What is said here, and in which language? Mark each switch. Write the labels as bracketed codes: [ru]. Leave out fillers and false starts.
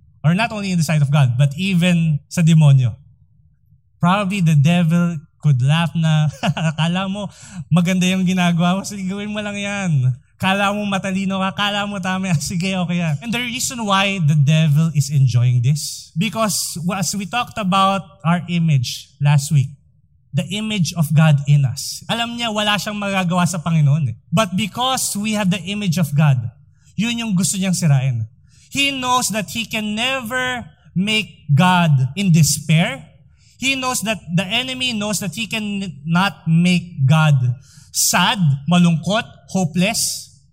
[en] Or not only in the sight of God, but even [tl] sa demonyo. [en] Probably the devil could laugh na, [tl] kala mo maganda yung ginagawa mo, sige gawin mo lang yan. Kala mo matalino ka, kala mo tama, sige okay yan. [en] And the reason why the devil is enjoying this, because as we talked about our image last week, the image of God in us. [tl] Alam niya, wala siyang magagawa sa Panginoon. [en] But because we have the image of God, [tl] yun yung gusto niyang sirain. [en] He knows that he can never make God in despair. He knows that the enemy knows that he cannot make God sad, [tl] malungkot, [en] hopeless.